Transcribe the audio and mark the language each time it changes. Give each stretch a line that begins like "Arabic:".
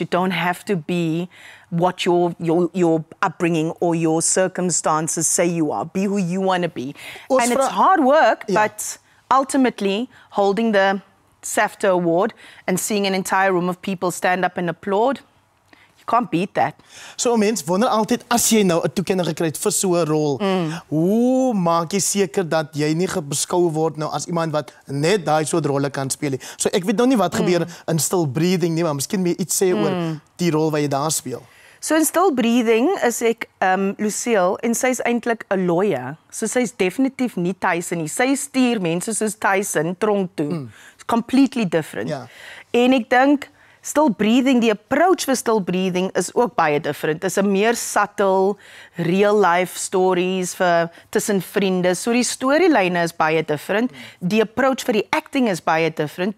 English: You don't have to be what your upbringing or your circumstances say you are. Be who you want to be. And it's hard work, yeah. But ultimately holding the SAFTA award and seeing an entire room of people stand up and applaud, You can't beat that.
Afrikaans: So mens wonder altyd as jy nou 'n toekenning gekry het vir so 'n rol, hoe maak jy seker dat jy nie beskou word nou as iemand wat net daai soort rolle kan speel nie. So ek weet nou nie wat gebeur in Still Breathing nie, maar miskien meer iets sê oor die rol wat jy daar speel. So in Still Breathing is ek Lucille en sy is eintlik 'n lawyer. So sy is definitief nie Tyson nie. Sy stuur mense soos Tyson tronk toe.
English: It's completely different.
Afrikaans: Ja. En ek dink Still Breathing, die approach vir Still Breathing is ook baie different. Is 'n meer
English: subtle, real life stories
Afrikaans: vir tussen vriende. So die storielyne is baie different. Die approach vir die acting is baie different.